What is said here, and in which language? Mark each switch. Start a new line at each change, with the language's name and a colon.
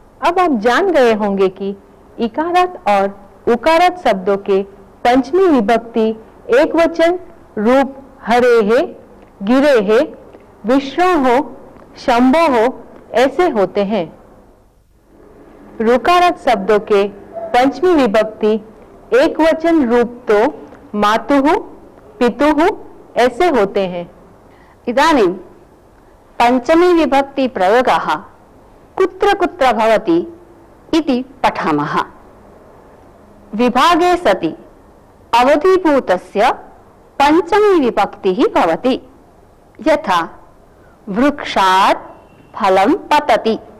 Hindi: अब आप जान गए होंगे कि इकारत और उकारत शब्दों के पंचमी विभक्ति एकवचन रूप हरे हे गिरे हे विश्रो हो शंभो हो ऐसे होते हैं। रुकारत शब्दों के पंचमी विभक्ति एकवचन रूप तो मातुः पितुः ऐसे होते हैं।
Sanskrit: इदानीं पंचमी विभक्ति प्रयोगः कुत्र कुत्र भवति इति पठामः। विभागे सति अवधिभूतस्य पंचमी विभक्ति ही भवति। यथा वृक्षात् फलं पतति,